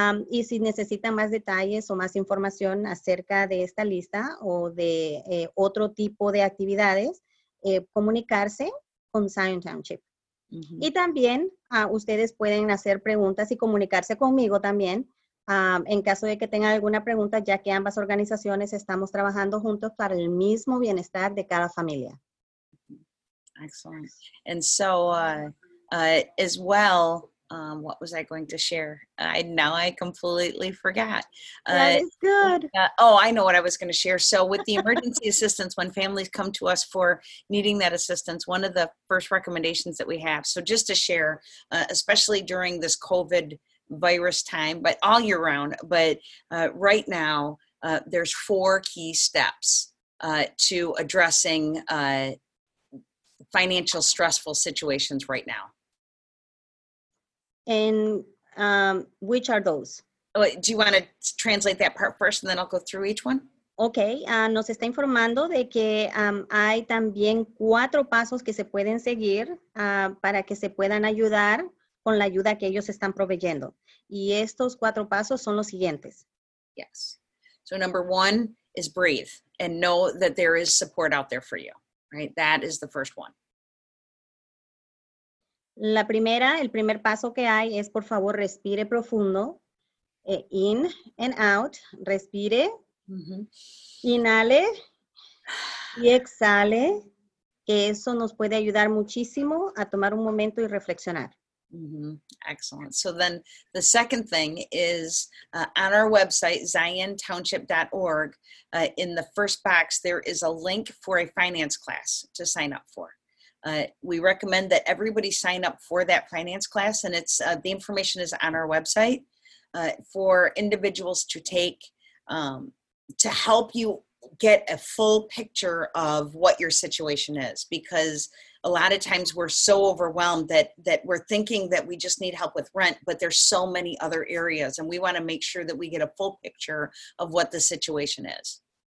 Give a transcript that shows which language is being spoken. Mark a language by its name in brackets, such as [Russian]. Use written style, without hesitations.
[Spanish] Y si necesitan más detalles o más información acerca de esta lista o de otro tipo de actividades, comunicarse con Zion Township. Y también ustedes pueden hacer preguntas y comunicarse conmigo también en caso de que tengan alguna pregunta, ya que ambas organizaciones estamos trabajando juntos para el mismo bienestar de cada familia. [English] Excellent. And so as well, what was I going to share? Now I completely forgot. That is good. I know what I was going to share. So with the emergency assistance, when families come to us for needing that assistance, one of the first recommendations that we have, so just to share, especially during this COVID virus time, but all year round, but right now, there's four key steps to addressing financial stressful situations right now. And which are those? Oh, do you want to translate that part first and then I'll go through each one? [Spanish] Okay, nos está informando de que hay también cuatro pasos que se pueden seguir para que se puedan ayudar con la ayuda que ellos están proveyendo. Y estos cuatro pasos son los siguientes. [English] Yes. So number one is breathe and know that there is support out there for you, right? That is the first one. [Spanish] La primera, el primer paso que hay es, por favor, respire profundo, [English] in and out, [Spanish] respire, inhale y exhale, que eso nos puede ayudar muchísimo a tomar un momento y reflexionar. [English] Excellent. So then the second thing is on our website, ZionTownship.org, in the first box, there is a link for a finance class to sign up for. We recommend that everybody sign up for that finance class, and it's the information is on our website for individuals to take to help you get a full picture of what your situation is, because a lot of times we're so overwhelmed that we're thinking that we just need help with rent, but there's so many other areas, and we want to make sure that we get a full picture of what the situation is.